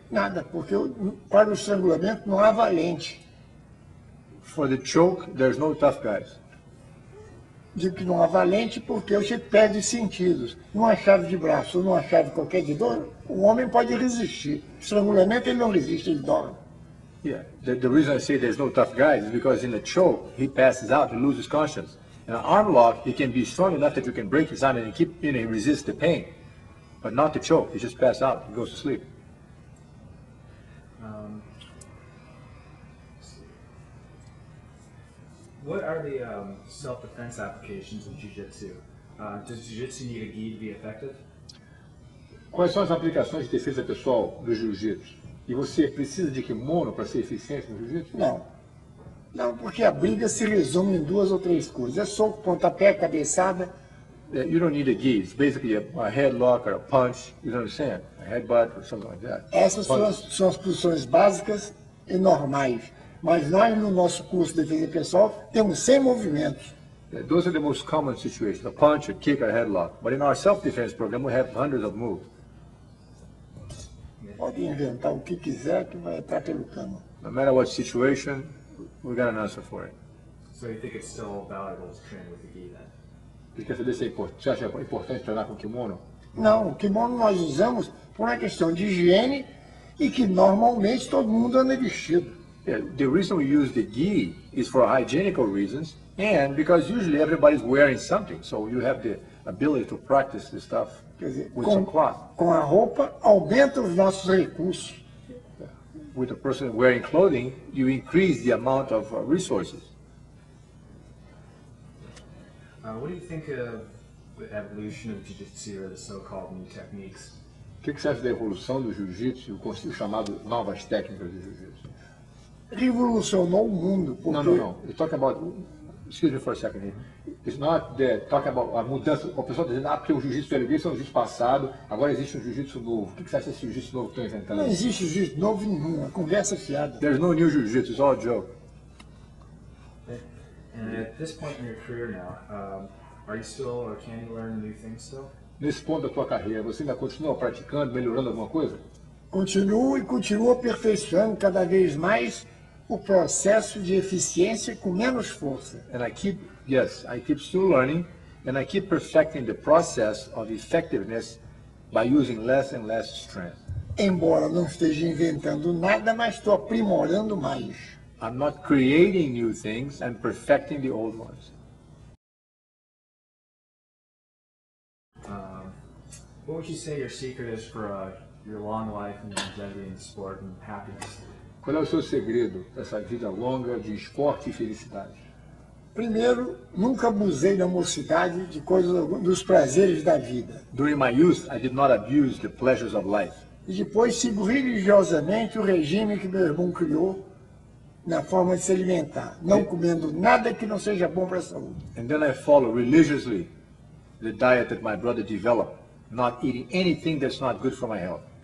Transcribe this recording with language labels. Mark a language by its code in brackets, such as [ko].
[pt] Nada, porque para o estrangulamento não há valente. [en] For the choke, there's no tough guys. [pt] Digo que não há valente porque você perde sentidos. Numa chave de braço ou numa chave qualquer de dor, o homem pode resistir. Estrangulamento ele não resiste, ele dorme. [en] Yeah, the reason I say there's no tough guys is because in a choke, he passes out and loses conscience. In an arm lock, he can be strong enough that you can break his arm and keep, you know, he resists the pain. But not the choke, he just passes out, he goes to sleep. What are the self-defense applications of jiu-jitsu? Does jiu-jitsu need a gi to be effective? [pt] Quais são as aplicações de defesa pessoal do jiu-jitsu? E você precisa de kimono para ser eficiente no jiu-jitsu? Não. Não, porque a briga se resume em duas ou três coisas. É soco, pontapé, cabeçada. [en] You don't need a gi. It's basically a headlock or a punch. You know what I'm saying? A headbutt or something like that. [pt] Essas são as posições básicas e normais. Mas nós, no nosso curso de defesa pessoal, temos 100 movimentos. [en] Those are the most common situations. A punch, a kick, a headlock. But in our self-defense program, we have hundreds of moves. [pt] Pode inventar o que quiser que vai entrar pelo cano. [en] No matter what situation, we got an answer for it. So you think it's still valuable to train with the gi then? [pt] Porque você disse, você acha importante treinar com kimono? Não, o kimono nós usamos por uma questão de higiene e que normalmente todo mundo anda vestido. [en] Yeah, the reason we use the gi is for hygienical reasons and because usually everybody's wearing something, so you have the ability to practice this stuff. [pt] Quer dizer, com a roupa, aumenta os nossos recursos. [en] With a person wearing clothing, you increase the amount of resources. What do you think of the evolution of jiu-jitsu or the so-called new techniques? [pt] O que você acha da evolução do jiu-jitsu e o chamado novas técnicas do jiu-jitsu? Revolucionou o mundo. Não. [en] You're talking about excuse me for a second here. It's not the talk about [pt] a mudança. O pessoal está dizendo, ah, porque o jiu-jitsu era isso, é um jiu-jitsu passado, agora existe um jiu-jitsu novo. O que você acha desse jiu-jitsu novo que estão inventando? Não existe jiu-jitsu novo nenhum, é conversa fiada. [en] There's no new jiu-jitsu, it's all a joke. Okay. And at this point in your career now, are you still, or can you learn new things still? [pt] Nesse ponto da tua carreira, você ainda continua praticando, melhorando alguma coisa? Continuo e continuo aperfeiçoando cada vez mais o processo de eficiência com menos força. [en] And I keep, yes, I keep still learning and I keep perfecting the process of effectiveness by using less and less strength. [pt] Embora não esteja inventando nada, mas estou aprimorando mais. [en] I'm not creating new things, I'm perfecting the old ones. What would you say your secret is for your long life and longevity in sport and happiness? [pt] Qual é o seu segredo dessa vida longa de esporte e felicidade? Primeiro, nunca abusei da mocidade de coisas dos prazeres da vida. [en] During my youth, I did not abuse the pleasures of life. [pt] E depois sigo religiosamente o regime que meu irmão criou na forma de se alimentar, não comendo nada que não seja bom para a saúde. [en] And then I follow religiously the diet that my brother developed, not eating anything that's not good for my health.